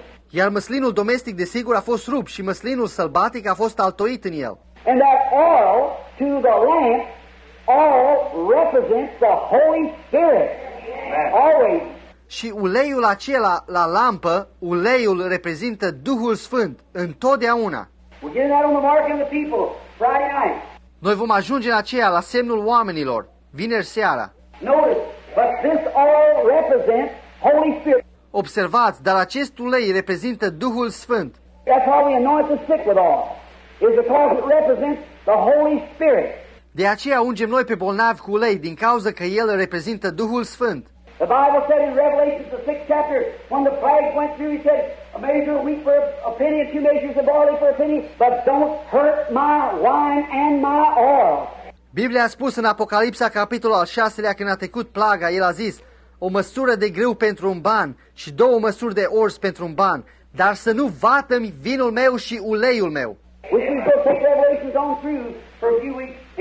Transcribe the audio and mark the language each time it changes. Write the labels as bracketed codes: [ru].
[ro] Iar măslinul domestic desigur a fost rupt și măslinul sălbatic a fost altoit în el. [en] And that oil to the lamp all represents the Holy Spirit. Always. [ro] Și uleiul acela la lampă, uleiul reprezintă Duhul Sfânt întotdeauna. [en] We're getting that on the mark of the people Friday night. [ro] Noi vom ajunge în aceea la semnul oamenilor vineri seara. [en] Notice, but this all represents Holy Spirit. [ro] Observați, dar acest ulei reprezintă Duhul Sfânt. [en] That's why we anoint the sick with oil. It's because it represents the Holy Spirit. [ro] De aceea ungem noi pe bolnavi cu ulei, din cauza că el reprezintă Duhul Sfânt. [en] The Bible said in Revelation, the sixth chapter, when the plague went through, he said, a measure of wheat for a penny, a few measures of barley for a penny, but don't hurt my wine and my oil. [ro] Biblia a spus în Apocalipsa, capitolul al șaselea, când a trecut plaga, el a zis, o măsură de grâu pentru un ban și două măsuri de ors pentru un ban, dar să nu vată-mi vinul meu și uleiul meu. [en] We can go take Revelation on through for a few weeks.